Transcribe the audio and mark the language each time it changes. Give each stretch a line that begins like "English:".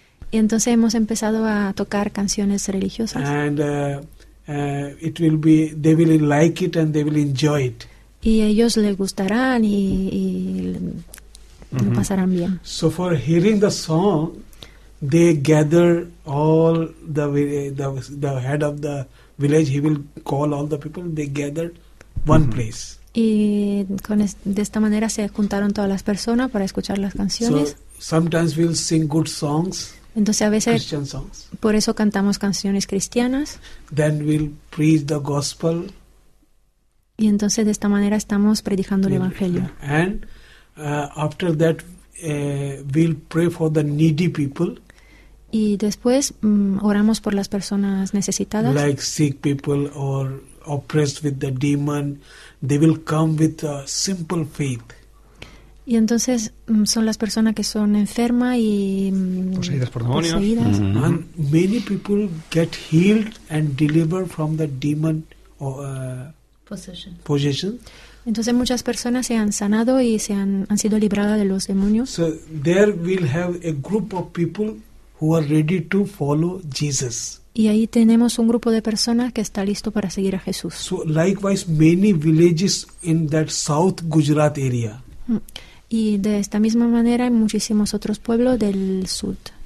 Spanish: Y entonces hemos empezado a tocar canciones religiosas.
English: And it will be, they will like it and they will enjoy it.
Spanish: Y ellos les gustarán y lo pasarán bien.
English: So for hearing the song, they gather all the head of the village, he will call all the people, they gathered one place.
Spanish: Y de esta manera se juntaron todas las personas para escuchar las canciones.
English: So sometimes we'll sing good songs.
Spanish: Entonces a veces
English: Christian songs.
Spanish: Por eso cantamos canciones cristianas.
English: Then we'll preach the gospel.
Spanish: Y entonces de esta manera estamos predicando el evangelio.
English: And after that we'll pray for the needy people.
Spanish: Y después oramos por las personas necesitadas.
English: Like sick people or oppressed with the demon, they will come with a simple faith.
Spanish: Y entonces son las personas que son enfermas y poseídas por demonios. Poseídas. Mm-hmm.
English: And many people get healed and delivered from the demon or possession.
Spanish: Entonces muchas personas se han sanado y se han sido libradas de los demonios.
English: So there we'll have a group of people who are ready to follow Jesus.
Spanish: Y ahí tenemos un grupo de personas que está listo para seguir a Jesús.
English: So likewise, many villages in that South Gujarat area.
Spanish: Y de esta misma manera en muchísimos otros pueblos del sur.